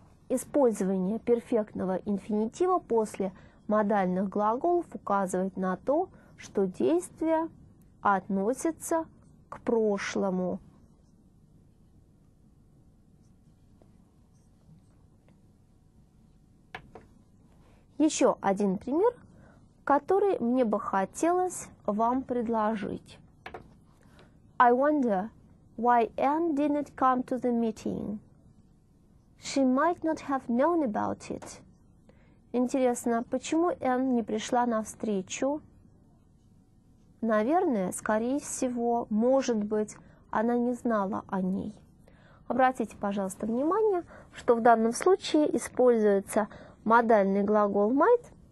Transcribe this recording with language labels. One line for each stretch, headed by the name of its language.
Russian: Использование перфектного инфинитива после модальных глаголов указывает на то, что действие относится к прошлому. Еще один пример, который мне бы хотелось вам предложить.
English: I wonder why Anne didn't come to the meeting. She might not have known about it.
Russian: Интересно, почему Энн не пришла на встречу? Наверное, скорее всего, может быть, она не знала о ней. Обратите, пожалуйста, внимание, что в данном случае используется модальный глагол might.